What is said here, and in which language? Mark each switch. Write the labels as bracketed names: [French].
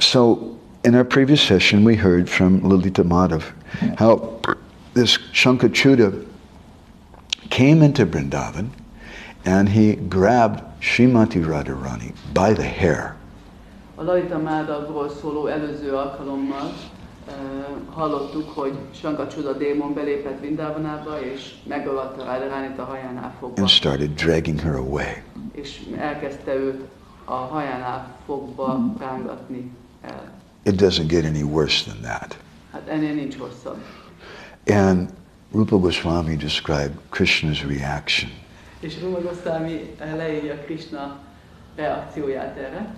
[English] So, in our previous session, we heard from Lalita Madhav how this Shankachuda came into Vrindavan and he grabbed Srimati Radharani by the hair. [Hungarian] A Lalita Madhavról szóló előző alkalommal hallottuk, hogy Shankachuda démon belépett Vrindavanába, és megölte Radharanit a hajánál fogva. [English] And started dragging her away. [Hungarian] És elkezdte őt a hajánál fogva rángatni el. [English] It doesn't get any worse than that. [Hungarian] Hát ennél nincs rosszabb. [English] And Rupa Goswami described Krishna's reaction. [Hungarian] És Rupa Goswami leírja Krishna reakcióját erre.